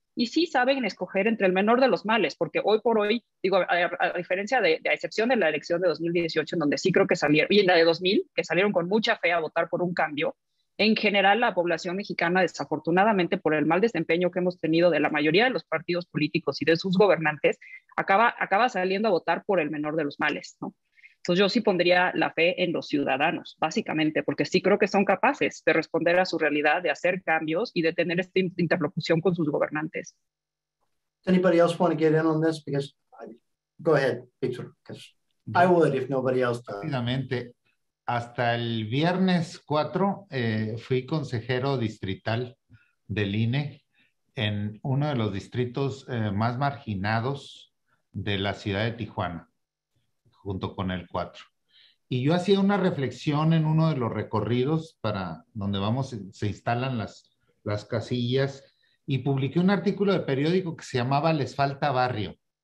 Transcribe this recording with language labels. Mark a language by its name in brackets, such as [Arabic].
[Spanish] y sí saben escoger entre el menor de los males, porque hoy por hoy, digo, a diferencia de a excepción de la elección de 2018, en donde sí creo que salieron, y en la de 2000, que salieron con mucha fe a votar por un cambio, en general la población mexicana, desafortunadamente por el mal desempeño que hemos tenido de la mayoría de los partidos políticos y de sus gobernantes, acaba saliendo a votar por el menor de los males, ¿no? Entonces yo sí pondría la fe en los ciudadanos, básicamente, porque sí creo que son capaces de responder a su realidad, de hacer cambios y de tener esta interlocución con sus gobernantes. [English] Anybody else want to get in on this? Because go ahead, Victor, because I would if nobody else does. [Spanish] Exactamente. Hasta el viernes 4 fui consejero distrital del INE en uno de los distritos más marginados de la ciudad de Tijuana, junto con el 4. Y yo hacía una reflexión en uno de los recorridos para donde vamos, se instalan las casillas, y publiqué un artículo de periódico que se llamaba Les Falta Barrio.